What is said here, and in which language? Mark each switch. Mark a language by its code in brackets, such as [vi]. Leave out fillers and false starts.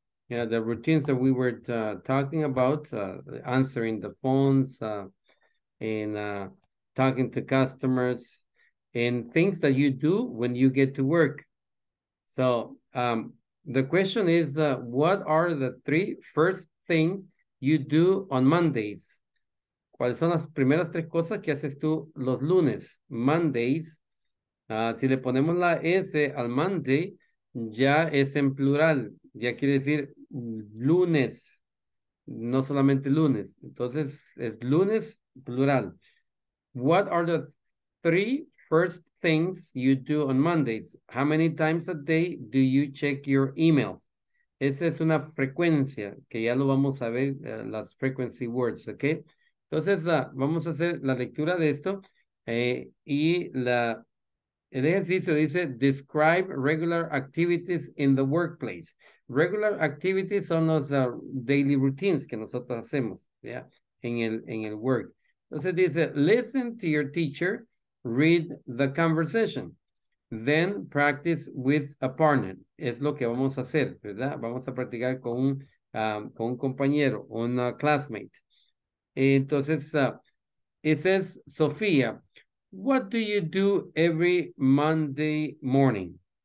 [en] Yeah, the routines that we were talking about, answering the phones and talking to customers, and things that you do when you get to work. So the question is, what are the three first things you do on Mondays? [es] ¿Cuáles son las primeras tres cosas que haces tú los lunes? Mondays. Si le ponemos la S al Monday, ya es en plural. Ya quiere decir lunes, no solamente lunes. Entonces, es lunes, plural. [en] What are the three first things you do on Mondays? How many times a day do you check your emails? [es] Esa es una frecuencia, que ya lo vamos a ver, las frequency words, ¿ok? Entonces, vamos a hacer la lectura de esto. El ejercicio dice, [en] describe regular activities in the workplace. [es] Regular activities son los daily routines que nosotros hacemos, ¿ya? En el work. Entonces dice, [en] listen to your teacher, read the conversation, then practice with a partner. [es] Es lo que vamos a hacer, ¿verdad? Vamos a practicar con un compañero, un classmate. [en] Entonces, it says, Sofía, what do you do every Monday morning?